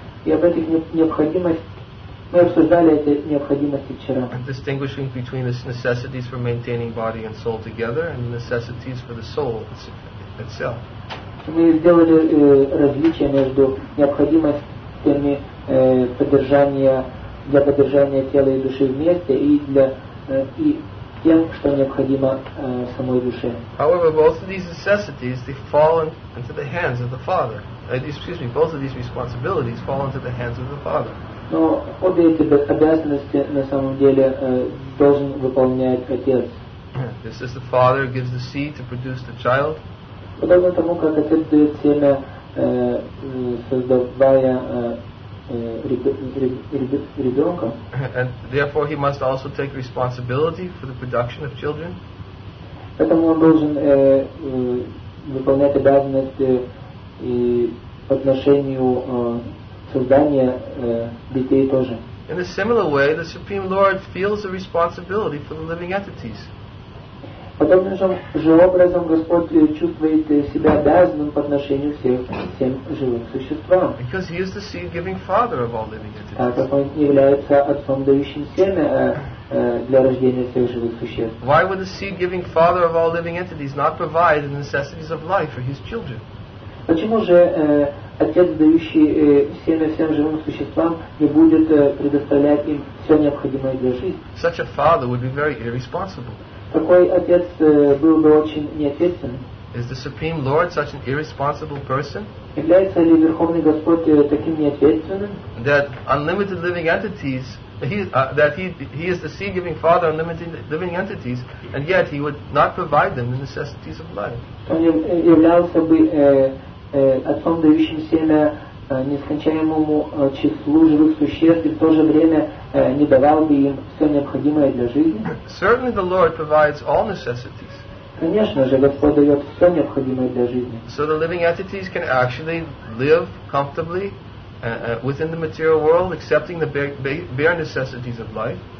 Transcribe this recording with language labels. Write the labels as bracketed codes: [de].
[ru] И об этих необходимостях мы обсуждали эти необходимости вчера. [en] Distinguishing between the necessities for maintaining body and soul together and the necessities for the soul itself. [ru] Мы сделали различие между необходимостями поддержания для поддержания тела и души вместе и для и тем, что необходимо самой душе. [en] However, both of these necessities they fall into the hands of the Father. Excuse me, both of these responsibilities fall into the hands of the Father. [ru] Но обе эти обязанности на самом деле должен выполнять отец. [en] This is the Father gives the seed to produce the child. [ru] Подобно тому, как отец дает семя, создавая ребенка. [en] And therefore he must also take responsibility for the production of children. [ru] Поэтому он должен выполнять обязанности и по отношению создания детей тоже. [en] In a similar way, the Supreme Lord feels a responsibility for the living entities. [ru] Подобным же образом Господь чувствует себя обязанным по отношению всем живым существам. [en] Because he is the seed giving father of all living entities. [ru] Так как он является отцом, дающим семя для рождения всех живых существ. [en] Why would the seed giving father of all living entities not provide the necessities of life for his children? [ru] Почему же отец, дающий семя всем живым существам, не будет предоставлять им все необходимое для жизни? [en] Such a father would be very irresponsible. [ru] Такой отец был бы очень неответственным. [en] Is the Supreme Lord such an irresponsible person? [ru] Является ли Верховный Господь таким неответственным? [en] That unlimited living entities, he is the seed-giving father of unlimited living entities, and yet he would not provide them the necessities of life. [ru] Он являлся бы отцом, дающим семя нескончаемому числу живых существ, и в то же время не давал бы им все необходимое для жизни. [en] Certainly the Lord provides all necessities. [ru] Конечно же, Господь дает все необходимое для жизни. [en] So the living entities can actually live comfortably within the material world, accepting the bare necessities of life.